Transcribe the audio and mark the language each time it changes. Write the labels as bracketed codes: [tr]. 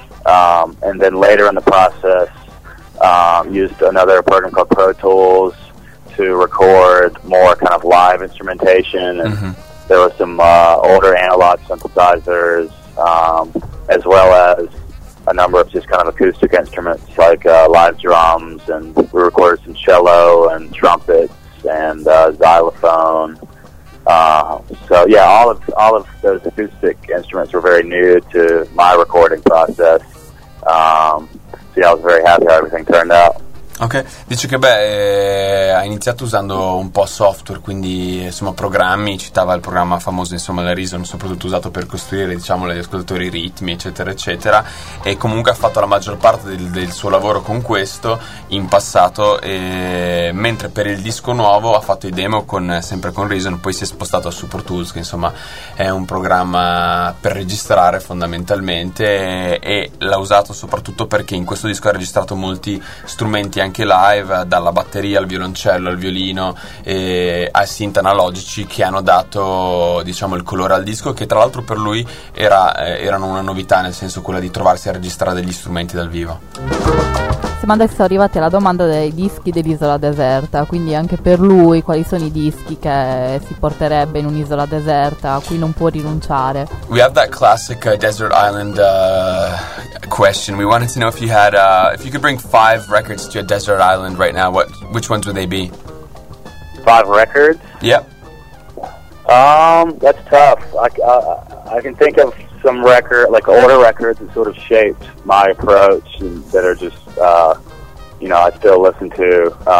[en] And then later in the process, used another program called Pro Tools to record more kind of live instrumentation, and there were some older analog synthesizers, as well as a number of just kind of acoustic instruments like live drums, and we recorded some cello and trumpets and xylophone. So yeah, all of those acoustic instruments were very new to my recording process. So yeah, I was very happy how everything turned out. [it] Ok, dice che beh, ha iniziato usando un po' software, quindi insomma programmi, citava il programma famoso insomma la Reason, soprattutto usato per costruire diciamo gli ascoltatori ritmi eccetera eccetera, e comunque ha fatto la maggior parte del suo lavoro con questo in passato, e mentre per il disco nuovo ha fatto i demo sempre con Reason, poi si è spostato a Super Tools, che insomma è un programma per registrare fondamentalmente, e l'ha usato soprattutto perché in questo disco ha registrato molti strumenti anche live, dalla batteria al violoncello al violino e ai synth analogici, che hanno dato diciamo il colore al disco, che tra l'altro per lui erano una novità, nel senso quella di trovarsi a registrare degli strumenti dal vivo. Siamo adesso arrivati alla domanda dei dischi dell'isola deserta, quindi anche per lui quali sono i dischi che si porterebbe in un'isola deserta a cui non può rinunciare. [en] We have that classic desert island question. We wanted to know if you had if you could bring 5 records to a desert island right now, which ones would they be? 5 records? Yep. That's tough. I can think of some record, like older records that sort of shaped my approach and that are just you know, I still listen to.